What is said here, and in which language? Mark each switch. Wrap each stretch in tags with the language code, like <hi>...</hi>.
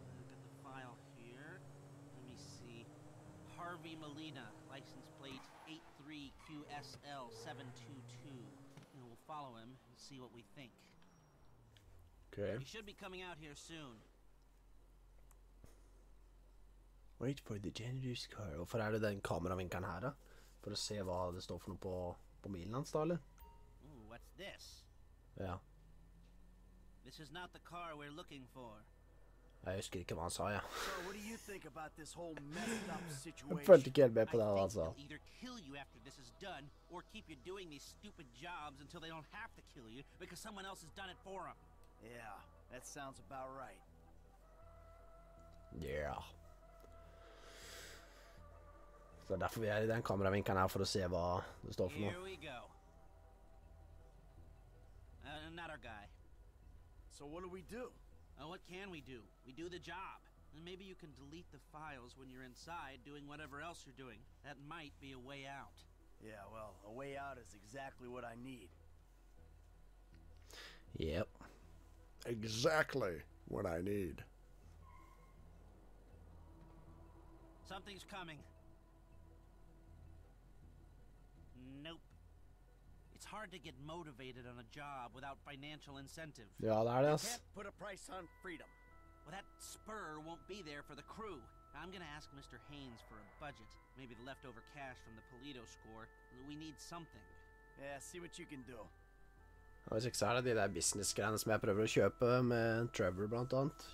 <en>Look at the file here. Let me see. Harvey Molina, license plate 83QSL722. And we'll follow him and see what we think. Okay. He should be coming out here soon. Wait for the janitor's car.</en> <no>Hvorfor er det den kameravinkeren her da? For å se hva det står for noe på bilen hans da, eller?</no> <en>Ooh, what's this?</en> <no>Ja.</no> <en>This is not the car we're looking for.</en> <no>Jeg husker ikke hva han sa, ja.</no> <en>Sir, what do you think about this whole messed up situation?</en> <no>Jeg følte ikke helt med på det, altså.</no> <en>I think they'll either kill you after this is done, or keep you doing these stupid jobs until they don't have to kill you, because someone else has done it for them. Yeah, that sounds about right. Yeah.</en> <no>Så derfor vi i den kameravinkeren her, for å se hva det står for nå.</no> <en>Here we go. Not our guy. So what do we do? What can we do? We do the job. And maybe you can delete the files when you're inside, doing whatever else you're doing. That might be a way out. Yeah, well, a way out is exactly what I need. Yep. Exactly what I need. Something's coming. Nope. It's hard to get motivated on a job without financial incentive. Yeah, that is. You can't put a price on freedom. Well, that spur won't be there for the crew. I'm gonna ask Mr. Haynes for a budget. Maybe the leftover cash from the Polito score. We need something. Yeah, see what you can do.</en> <no>Og hvis ikke så er det de der business-greiene som jeg prøver å kjøpe med Trevor blant annet.</no>